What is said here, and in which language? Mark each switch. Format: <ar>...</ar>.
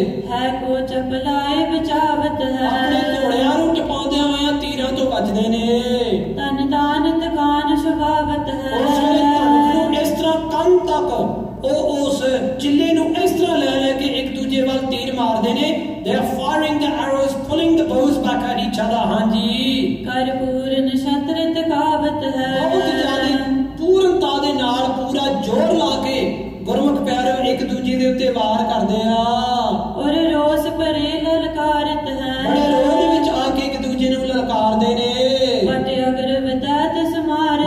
<pa>ਹੈ ਕੋ ਚਪਲਾਏ ਬਚਾਵਤ ਹੈ, ਆਪਣੇ ਘੋੜਿਆਂ ਨੂੰ ਟਪਾਉਂਦਿਆਂ ਹੋਇਆਂ ਤੀਰਾਂ ਤੋਂ ਵੱਜਦੇ ਨੇ। ਤਨ ਤਾਨ ਤਕਾਨ ਸੁਭਾਵਤ ਹੈ, ਉਸ ਵੇਲੇ ਤਨ ਇਸ ਤਰ੍ਹਾਂ ਕੰਨ ਤੱਕ ਉਹ ਉਸ ਚਿੱਲੇ ਨੂੰ ਇਸ ਤਰ੍ਹਾਂ ਲੈ ਲੈ ਕੇ ਇੱਕ ਦੂਜੇ ਵੱਲ ਤੀਰ ਮਾਰਦੇ ਨੇ।</pa> <en>They are firing the arrows, pulling the bows back at each other.</en> <pa>ਹਾਂ ਜੀ, ਕਰ ਪੂਰਨ ਸ਼ਤਰ ਤਕਾਵਤ ਹੈ, ਬਹੁਤ ਜ਼ਿਆਦਾ ਪੂਰਨਤਾ ਦੇ ਨਾਲ ਪੂਰਾ ਜ਼ੋਰ ਲਾ ਕੇ ਗੁਰਮੁਖ ਪਿਆਰਿਓ ਇੱਕ ਦੂਜੇ ਦੇ ਉੱਤੇ ਵਾਰ ਕਰਦੇ ਆ। ਔਰ ਰੋਸ ਭਰੇ ਲਲਕਾਰਤ ਹੈ, ਬੜੇ ਰੋਸ ਦੇ ਵਿੱਚ ਆ ਕੇ ਇੱਕ ਦੂਜੇ ਨੂੰ ਲਲਕਾਰਦੇ ਨੇ। ਵੱਟ ਅਗਰ ਵਧਾ ਤਸ ਮਾਰ,</pa>